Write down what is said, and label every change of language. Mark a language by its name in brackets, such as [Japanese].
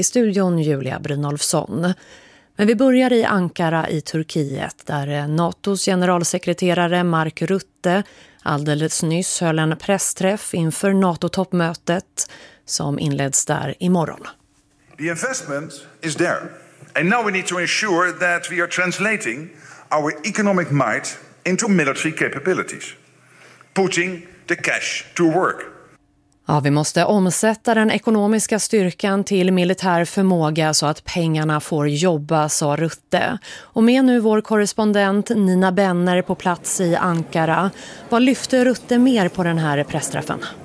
[Swedish] I studion Julia Brynolfsson. Men vi börjar i Ankara i Turkiet, där NATOs generalsekreterare Mark Rutte alldeles nyss höll en pressträff inför NATO-toppmötet som inleds där imorgon. [English] The investment is there. And now we need to ensure that we are translating our economic might into military capabilities. Putting the cash to work. [Swedish] Ja, vi måste omsätta den ekonomiska styrkan till militär förmåga så att pengarna får jobba, sa Rutte. Och med nu vår korrespondent Nina Benner på plats i Ankara. Vad lyfter Rutte mer på den här pressträffen?